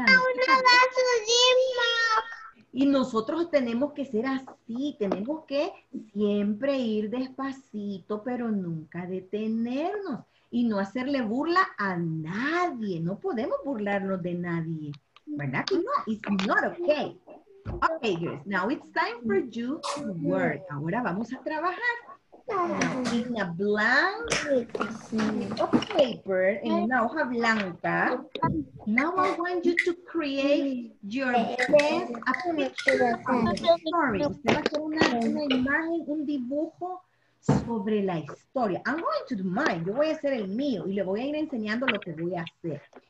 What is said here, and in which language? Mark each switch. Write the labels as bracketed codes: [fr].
[en] guys. [es] Y nosotros tenemos que ser así, tenemos que siempre ir despacito, pero nunca detenernos y no hacerle burla a nadie. No podemos burlarnos de nadie, ¿verdad que no? [en] It's not okay. Okay, girls, now it's time for you to work. [es] Ahora vamos a trabajar. [en] In a blank paper, [es] en una hoja blanca. [en] Now I want you to create your best picture of the story. [es] Usted va a hacer una imagen, un dibujo sobre la historia. [en] I'm going to do mine. [es] Yo voy a hacer el mío y le voy a ir enseñando lo que voy a hacer.